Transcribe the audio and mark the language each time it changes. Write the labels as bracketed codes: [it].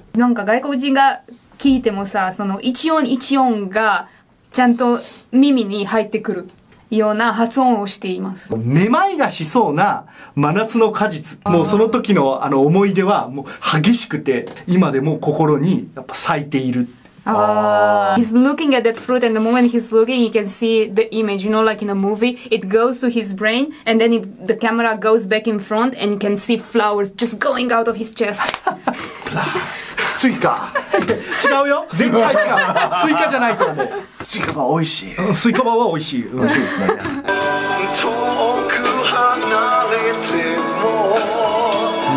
[ja] なんか外国人が聞いてもさ、その一音一音がちゃんと耳に入ってくるような発音をしています。めまいがしそうな真夏の果実、もうその時のあの思い出はもう激しくて今でも心にやっぱ咲いている。 [en] He's looking at that fruit, and the moment he's looking, you can see the image, you know, like in a movie. It goes to his brain, and then the camera goes back in front, and you can see flowers just going out of his chest. [ja] スイカ違うよ絶対違うスイカじゃないと思うスイカバー美味しいスイカバーは美味しい美味しいですね遠く離れても